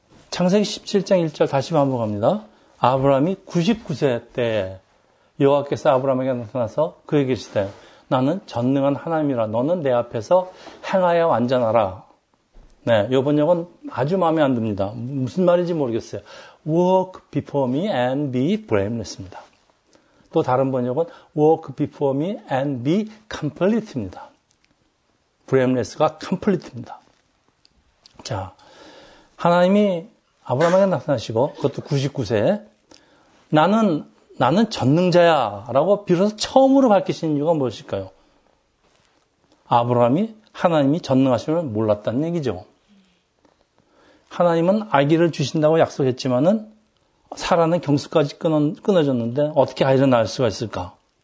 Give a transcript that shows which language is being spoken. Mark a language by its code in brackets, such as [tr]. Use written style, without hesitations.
[ko] 창세기 17장 1절 다시 반복합니다. 아브라함이 99세 때 여호와께서 아브라함에게 나타나서 그에게 이르시되 나는 전능한 하나님이라 너는 내 앞에서 행하여 완전하라. 네, 요번 역은 아주 마음에 안 듭니다. 무슨 말인지 모르겠어요. [en] Walk before me and be blameless입니다. [ko] 또 다른 번역은 [en] Walk before me and be complete입니다. [ko] Blameless가 complete입니다. 자, 하나님이 아브라함에게 나타나시고 그것도 99세에 나는 전능자야 라고 비로소 처음으로 밝히신 이유가 무엇일까요? 아브라함이 하나님이 전능하심을 몰랐다는 얘기죠. 하나님은 아기를 주신다고 약속했지만은 사라는 경수까지 끊어졌는데 어떻게 아이를 낳을 수가 있을까?